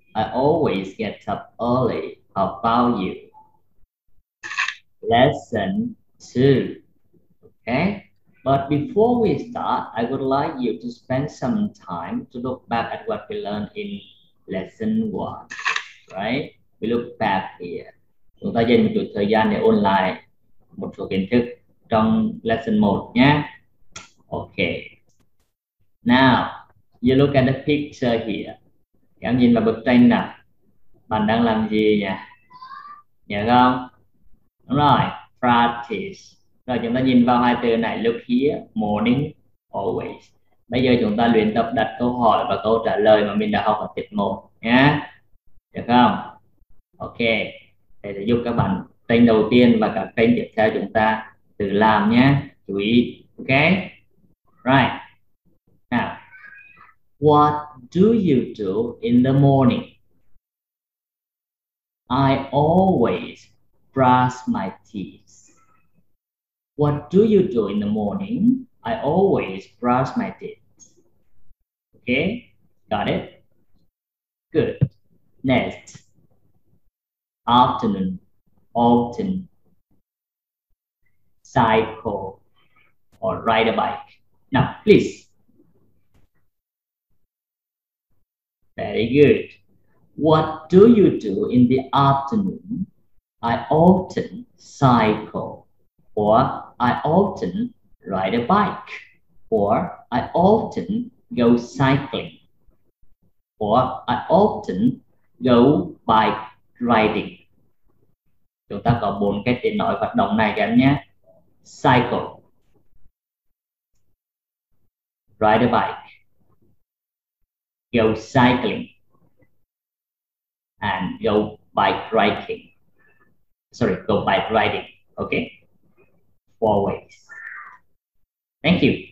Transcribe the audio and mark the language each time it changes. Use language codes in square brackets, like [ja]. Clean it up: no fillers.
[en] I always get up early. How about you? Lesson 2. Okay. But before we start, I would like you to spend some time to look back at what we learned in Lesson 1. Right? We look back here. [vi] Chúng ta dành một chút thời gian để ôn lại một số kiến thức trong lesson 1 nhé. Okay. [en] Now, you look at the picture here. [vi] Em nhìn vào bức tranh nào. Bạn đang làm gì nhỉ? Nhớ không? Đúng rồi, practice. Rồi chúng ta nhìn vào hai từ này, [en] look here, morning, always. [vi] Bây giờ chúng ta luyện tập đặt câu hỏi và câu trả lời mà mình đã học ở tiết 1 nhé. Được không? Ok. Để giúp các bạn tranh đầu tiên và cả tranh tiếp theo chúng ta tự làm nhé, chú ý. [en] Ok, right. Now, what do you do in the morning? I always brush my teeth. What do you do in the morning? I always brush my teeth. Ok, got it. Good. Next. Afternoon, often. Cycle or ride a bike. Now, please. Very good. What do you do in the afternoon? I often cycle or I often ride a bike or I often go cycling or I often go bike riding. [vi] Chúng ta có bốn cách để nói hoạt động này các em nhé. [en] Cycle, ride a bike, go cycling, and go bike riding. Sorry, go bike riding. Okay, four ways. Thank you.